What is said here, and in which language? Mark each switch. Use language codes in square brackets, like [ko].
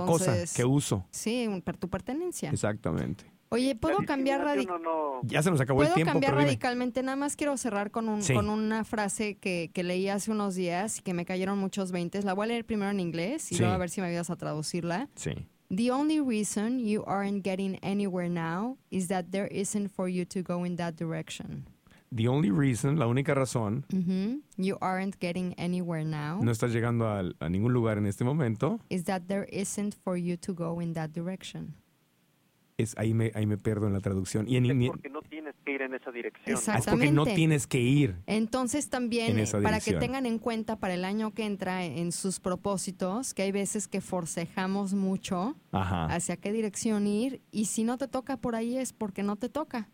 [es] entonces, cosa que uso. Sí, tu pertenencia. Exactamente. Oye, ¿puedo cambiar radicalmente? Ya se nos acabó el tiempo. ¿Puedo cambiar radicalmente? Nada más quiero cerrar con una frase que leí hace unos días y que me cayeron muchos 20. La voy a leer primero en inglés y luego a ver si me ayudas a traducirla. Sí. [en] The only reason you aren't getting anywhere now is that there isn't for you to go in that direction. The only reason, [es] la única razón. Mm-hmm. [en] You aren't getting anywhere now. [es] No estás llegando a ningún lugar en este momento. [en] Is that there isn't for you to go in that direction. [es] Ahí me pierdo en la traducción. Y es porque no tienes que ir en esa dirección. Exactamente. Es porque no tienes que ir. Entonces también, para que tengan en cuenta para el año que entra en sus propósitos, que hay veces que forcejamos mucho hacia qué dirección ir, y si no te toca por ahí es porque no te toca.